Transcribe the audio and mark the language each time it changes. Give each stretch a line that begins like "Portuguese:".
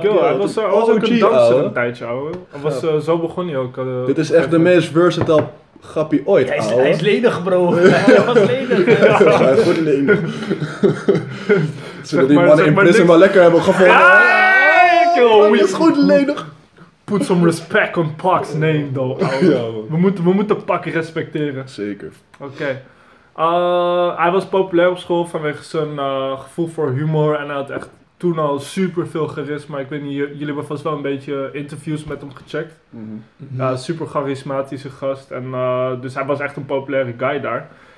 Dutch: Cool. Ja, hij was ook OG, een danser een tijdje, ouwe. Hij was, zo begon hij ook. Dit is echt de meest versatile grappie ooit, ja, hij is ledig, bro. Hij was ledig. Ja, hij is goed ledig. Zullen die mannen in prison wel lekker hebben gevonden? Hij is goed ledig.
English: Put some respect on Pac's name, though.
Dutch: Ja, we moeten Pac respecteren. Zeker. Oké. Hij was populair op school vanwege zijn gevoel voor humor. En hij had echt toen al super veel charisma. Ik weet niet, jullie hebben vast wel een beetje interviews met hem gecheckt. Mm-hmm. Super charismatische gast. En, dus hij was echt een populaire guy daar.